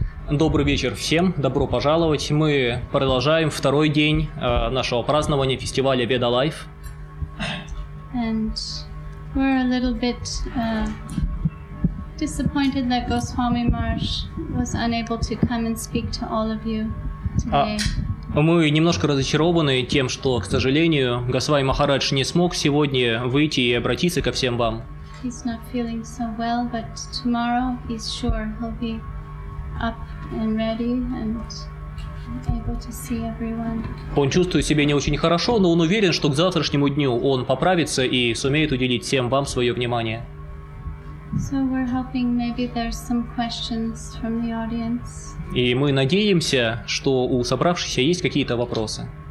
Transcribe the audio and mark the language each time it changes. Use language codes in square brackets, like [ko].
[ru] Добрый вечер всем, добро пожаловать. Мы продолжаем второй день нашего празднования фестиваля Veda Life. [en] And we're a little bit disappointed that Goswami Maharaj was unable to come and speak to all of you today. [ru] Мы немножко разочарованы тем, что, к сожалению, Госвами Махарадж не смог сегодня выйти и обратиться ко всем вам. [en] He's not feeling so well, but tomorrow he's sure he'll be up and ready and able to see everyone. [ru] Он чувствует себя не очень хорошо, но он уверен, что к завтрашнему дню он поправится и сумеет уделить всем вам свое внимание. [en] So we're hoping maybe there's some questions from the audience. [ru] И мы надеемся, что у собравшихся есть какие-то вопросы.